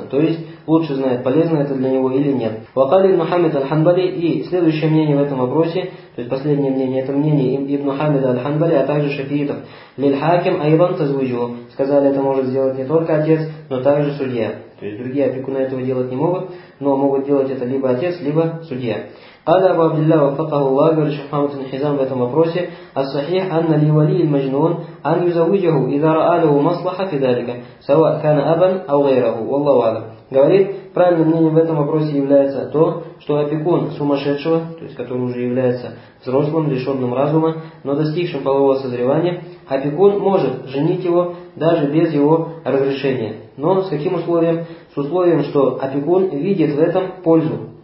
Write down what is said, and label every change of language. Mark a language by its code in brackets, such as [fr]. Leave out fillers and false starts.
[ru] То есть лучше знает, полезно это для него или нет. Ва'алим Мухаммед аль-Ханбали, и следующее мнение в этом вопросе, то есть последнее мнение, это мнение Ибн Мухаммеда аль-Ханбали, а также шафиитов. [ar] Лиль-Хаким айван тазвуджу, [ru] сказали, это может сделать не только отец, но также судья. То есть другие опекуны этого делать не могут, но могут делать это либо отец, либо судья. [ar] قال أبو عبد الله وفقه الله قال شيخ محمد بن حزام في هذا [ru] вопросе [ar] الصحيح أن لولي المجنون أن يزوجه إذا رأى له مصلحة في ذلك سواء كان أبا أو غيره والله أعلم. [ru] Говорит, правильным мнением в этом вопросе является то, что опекун сумасшедшего, то есть который уже является взрослым, лишенным разума, но достигшим полового созревания, опекун может женить его даже без его разрешения. Но с каким условием? С условием, что опекун видит в этом пользу.